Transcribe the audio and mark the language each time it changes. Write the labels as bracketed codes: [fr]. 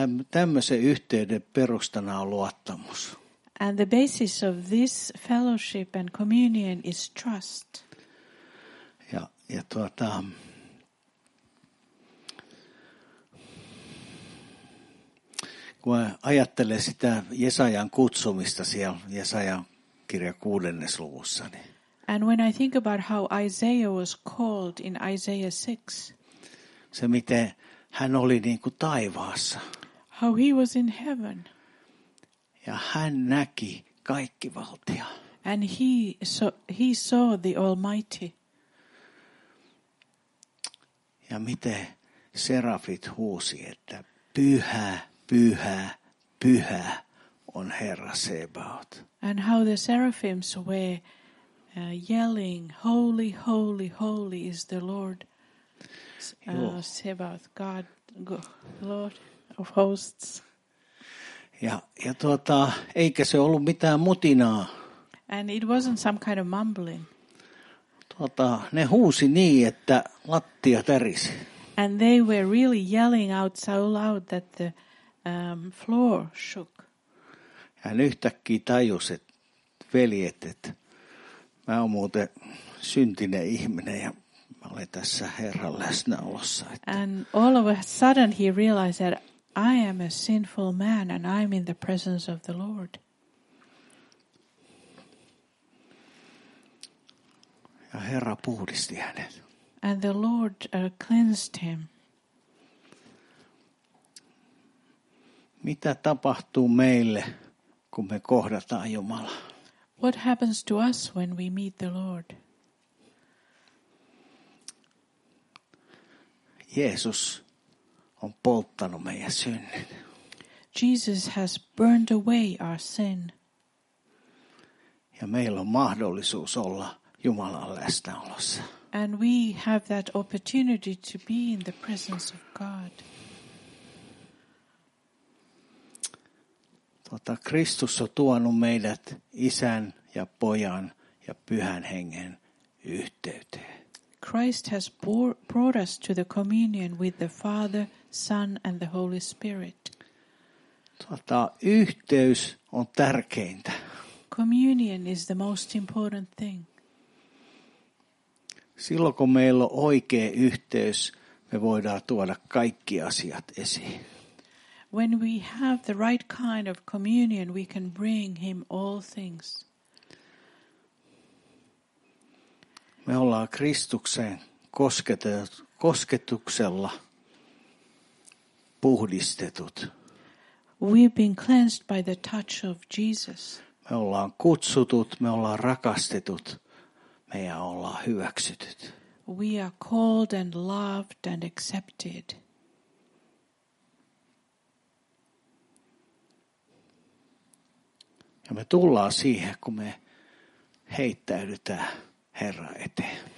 [fi] Tämmöisen yhteyden perustana on luottamus. [en] And the basis of this fellowship and communion is trust. [fi] Ja kun ajattelee sitä Jesajan kutsumista siellä Jesajan kirja 6. luvussa, niin. [en] And when I think about how Isaiah was called in Isaiah 6. [fi] Se miten hän oli niin kuin taivaassa. [en] How he was in heaven. [fi] Ja hän näki kaikkivaltia. [en] And he saw the Almighty. [fi] Ja miten serafit huusi, että pyhä, pyhä, pyhä on Herra Sebaot. [en] And how the seraphims were yelling, holy, holy, holy is the Lord Sebaot, God, Lord of hosts. [fi] Ja eikä se ollut mitään mutinaa. [en] And it wasn't some kind of mumbling. [fi] Ne huusi niin, että lattia tärisi. [en] And they were really yelling out so loud that the floor shook. [fi] Hän yhtäkkiä tajusi, että veljet, että mä oon muuten syntinen ihminen ja mä olen tässä Herran läsnäolossa. Että. [en] And all of a sudden he realized that I am a sinful man and I'm in the presence of the Lord. [fi] Ja Herra puhdisti hänet. [en] And the Lord cleansed him. [fi] Mitä tapahtuu meille, kun me kohdataan Jumala? [en] What happens to us when we meet the Lord? [fi] Jeesus on polttanut meidän synnin. [en] Jesus has burned away our sin. [fi] Ja meillä on mahdollisuus olla Jumalan läsnäolossa. [en] And we have that opportunity to be in the presence of God. [fi] Kristus on tuonut meidät Isän ja Pojan ja Pyhän Hengen yhteyteen. [en] Christ has brought us to the communion with the Father, Son and the Holy Spirit. [fi] Yhteys on tärkeintä. [en] Communion is the most important thing. [fi] Silloin kun meillä on oikea yhteys, me voidaan tuoda kaikki asiat esiin. [en] When we have the right kind of communion, we can bring him all things. [fi] Me ollaan Kristuksen kosketuksella puhdistetut. [en] We've been cleansed by the touch of Jesus. [fi] Me ollaan kutsutut, me ollaan rakastetut, me ollaan hyväksytyt. [en] We are called and loved and accepted. [fi] Ja me tullaan siihen, kun me heittäydytään Herra eteen.